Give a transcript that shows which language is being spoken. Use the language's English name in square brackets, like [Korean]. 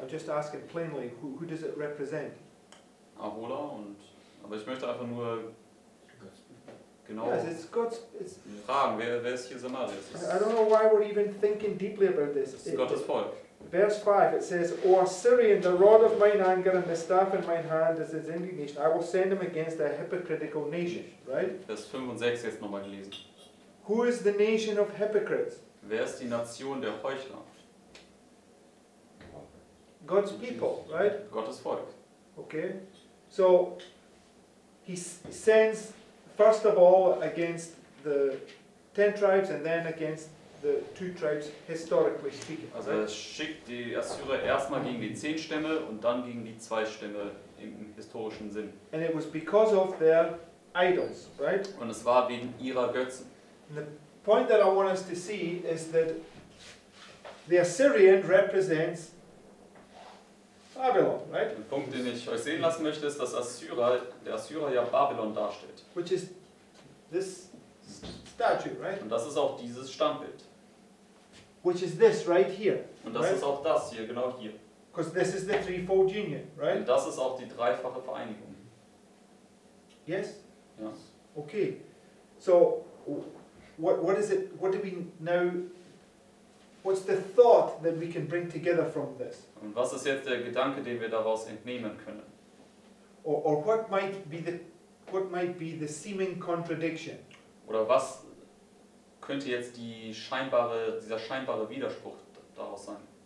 [English] I'm just asking plainly, who does it represent? [German] Ahola und aber ich möchte einfach nur genau [English] yes, it's God's, it's [German] fragen, wer ist hier Samaria? [English] I don't know why we're even thinking deeply about this. [German] Das ist Gottes Volk. [English] Verse 5, it says, O Assyrian, the rod of mine anger and the staff in mine hand is his indignation. I will send him against a hypocritical nation. Right? [German] Vers 5 und 6 jetzt nochmal gelesen. [English] Who is the nation of hypocrites? [German] Wer ist die Nation der Heuchler? [English] God's people, right? [German] Gottes Volk. [English] Okay. So he sends first of all against the 10 tribes and then against the 2 tribes historically speaking. [German] Also er schickt die Assyrer erstmal gegen die 10 Stämme und dann gegen die 2 Stämme im historischen Sinn. [English] And it was because of their idols, right? [German] Und es war wegen ihrer Götzen. [English] And the point that I want us to see is that the Assyrian represents Babylon, right? [German] Der Punkt, den ich euch sehen lassen möchte, ist, dass der Assyrer ja Babylon darstellt. [English] Which is this statue, right? [German] Und das ist auch dieses Standbild. [English] Which is this right here? [German] Und das [English] right? [German] ist auch das hier, genau hier. [English] Because this is the threefold union, right? [German] Und das ist auch die dreifache Vereinigung. [English] Yes. [German] Ja. [English] Okay. So, what is it? What do we now? What's the thought that we can bring together from this? [German] Und was ist jetzt der Gedanke, den wir daraus entnehmen können? [English] Or what might be the seeming contradiction? [German] Oder was könnte jetzt dieser scheinbare Widerspruch daraus sein?